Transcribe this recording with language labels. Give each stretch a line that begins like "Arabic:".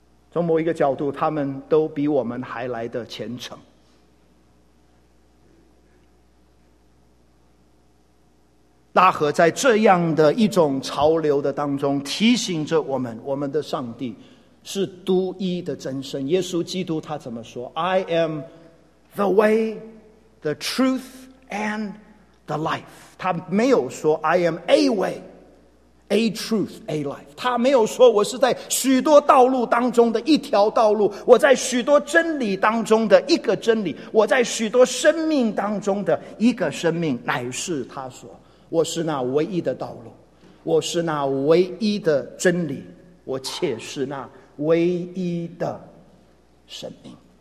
Chinese: 从某一个角度，他们都比我们还来得虔诚。拉合在这样的一种潮流的当中提醒着我们，我们的上帝是独一的真神。耶稣基督他怎么说？
English: I am the way, the truth and the life。
Chinese: 他没有说
English: I am a way A truth, a life.
Chinese: 他没有说我是在许多道路当中的一条道路，我在许多真理当中的一个真理，我在许多生命当中的一个生命，乃是他说我是那唯一的道路，我是那唯一的真理，我且是那唯一的生命。